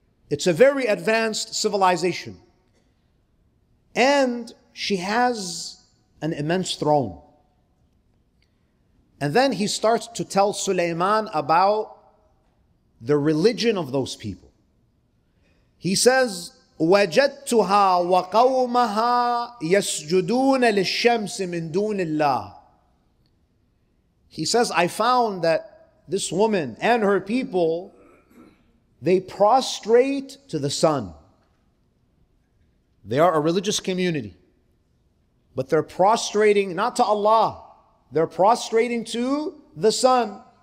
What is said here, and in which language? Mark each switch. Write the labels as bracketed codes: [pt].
[en] It's a very advanced civilization. And she has an immense throne. And then he starts to tell Sulaiman about the religion of those people. He says, [ar] وَجَدْتُهَا وَقَوْمَهَا يَسْجُدُونَ لِلشَّمْسِ مِنْ دُونِ اللَّهِ. [en] He says, I found that this woman and her people, they prostrate to the sun. They are a religious community. But they're prostrating not to Allah. They're prostrating to the sun.